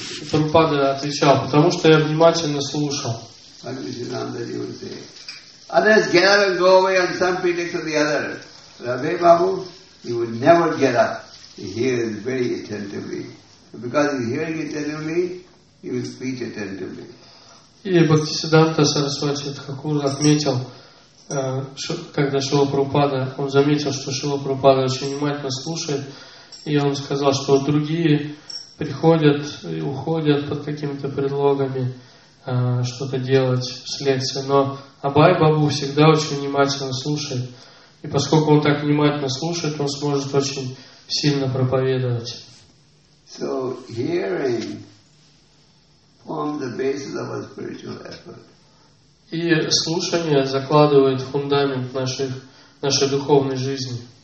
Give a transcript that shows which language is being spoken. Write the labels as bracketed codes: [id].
[ru] Прабхупада отвечал: «Потому что я внимательно слушал». [en] Others get up and go away on some pretext or the other. Rabbi Babu, he would never get up. He hears very attentively. Because he's hearing attentively, he will speak attentively. [ru] И Бхактисиддханта Сарасвати Тхакур отметил, когда Шрила Прабхупада, он заметил, что Шрила Прабхупада очень внимательно слушает, и он сказал, что другие приходят и уходят под какими-то предлогами что-то делать вслед, но Абай Бабу всегда очень внимательно слушает. И поскольку он так внимательно слушает, он сможет очень сильно проповедовать. [en] So hearing forms the basis of our spiritual effort. [ru] И слушание закладывает фундамент нашей духовной жизни.